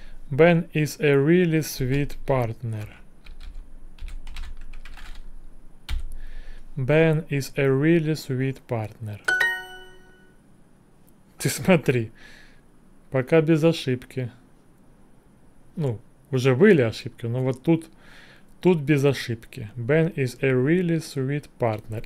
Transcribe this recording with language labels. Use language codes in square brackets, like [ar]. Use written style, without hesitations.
[en] Ben is a really sweet partner. Ben is a really sweet partner. [ru] Ты смотри, пока без ошибки. Ну, уже были ошибки, но вот тут. Тут без ошибки. [en] Ben is a really sweet partner.